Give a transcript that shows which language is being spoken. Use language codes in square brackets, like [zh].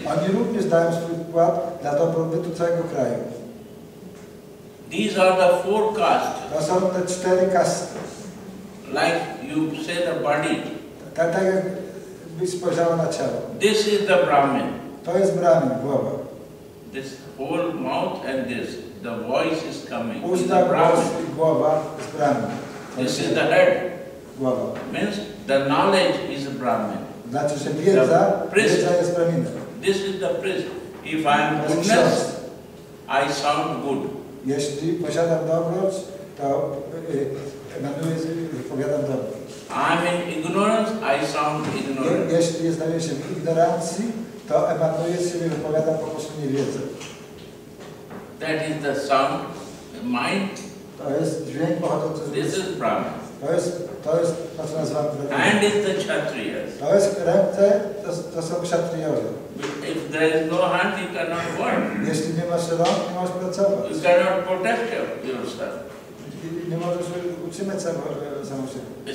[pl] Oni również dają swój wkład dla dobrobytu całego kraju. [en] These are the four castes. [pl] To są te cztery kasty. [en] Like you say the body. [pl] Tak jak byś spojrzał na ciało. [en] This is the Brahmin. [pl] To jest Brahmin, głowa. [en] This whole mouth and this, the voice is coming. [pl] Usta, głos i głowa jest Brahmin. [en] This is the head. [pl] Głowa. [en] Means the knowledge is Brahmin. [pl] Znaczy, że wiedza, wiedza jest Brahmin. [en] This is the priest. If I am goodness, I sound good. [pl] Jeśli posiadam dobroć, to nadmuję, powiadam dobroć. [en] I am in ignorance, I sound ignorant. [pl] Jeśli znajduję się w ignorancji, to emanuje się i wypowiada po prostu niewiedzę. [en] That is the sound, the mind. [pl] To jest dźwięk pochodzący z [en] this is Brahman. [pl] To jest to, co nazywam Brahman. [en] And is the kshatriyas. [pl] To jest ręce, to są kshatriyowie. [en] If there is no hand, you cannot work. [pl] Jeśli nie masz rąk, nie możesz pracować. [en] You cannot protect yourself. [pl] Nie może się utrzymać samo się.